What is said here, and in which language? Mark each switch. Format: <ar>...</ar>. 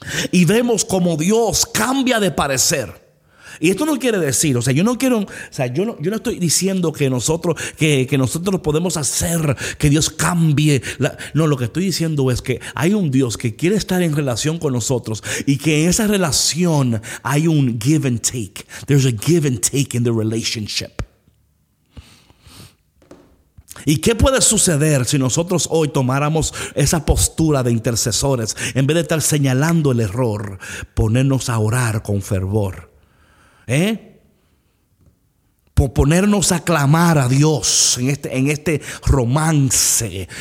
<es>Y vemos como Dios cambia de parecer. Y esto no quiere decir, yo no estoy diciendo que nosotros podemos hacer que Dios cambie. No, lo que estoy diciendo es que hay un Dios que quiere estar en relación con nosotros y que en esa relación hay un</es> <en>give and take. There's a give and take in the relationship.</en> <es>¿Y qué puede suceder si nosotros hoy tomáramos esa postura de intercesores? En vez de estar señalando el error, ponernos a orar con fervor. Por ponernos a clamar a Dios en este romance.</es>